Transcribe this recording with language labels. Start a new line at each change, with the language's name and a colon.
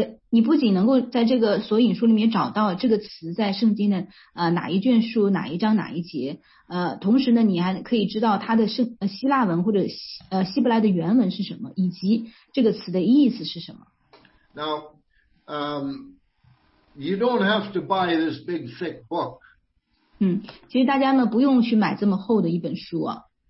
Chinese: 你不仅能够在这个索引书里面找到这个词在圣经的哪一卷书哪一章哪一节同时呢你还可以知道它的希腊文或者希伯来的原文是什么以及这个词的意思是什么。
English: Now, you don't have to buy this big thick book.
Chinese: 其实大家呢不用去买这么厚的一本书啊。